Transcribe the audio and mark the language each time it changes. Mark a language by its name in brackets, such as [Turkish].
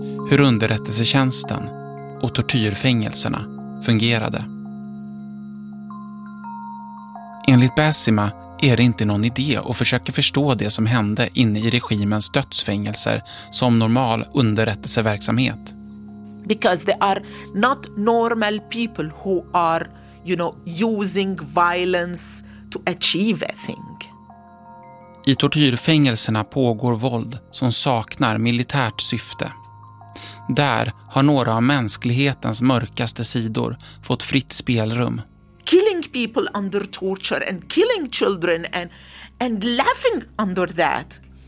[Swedish] Hur underrättelsetjänsten och tortyrfängelserna fungerade. Enligt Basima är det inte någon idé att försöka förstå det som hände inne i regimens dödsfängelser som normal underrättelseverksamhet. [English] Because they are not normal people who are, you know, using violence to achieve a thing. [Swedish] I tortyrfängelserna pågår våld som saknar militärt syfte. Där har några av mänsklighetens mörkaste sidor fått fritt spelrum. [English] Killing people under torture and killing children and laughing under that.